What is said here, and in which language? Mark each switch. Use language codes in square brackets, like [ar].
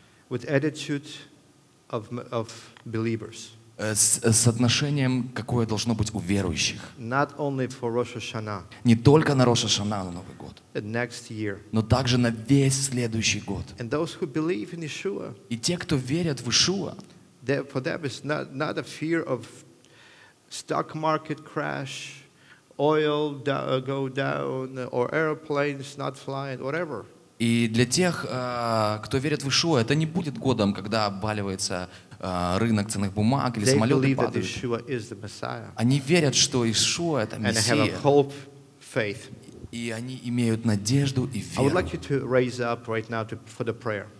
[en] With attitude of believers. [ru] С отношением, какое должно быть у верующих. [en] Not only for Rosh Hashanah. [ru] Не только на Rosh Hashanah, на Новый год. [en] And next year. [ru] Но также на весь следующий год. [en] And those who believe in Yeshua. [ru] И те, кто верят в Ишуа. [en] For them is not a fear of stock market crash, oil go down, or airplanes not flying, whatever. [ru] И для тех, кто верит в Ишуа, это не будет годом, когда обваливается рынок ценных бумаг или самолеты падают. Они верят, что Ишуа — это Мессия. И они имеют надежду и веру.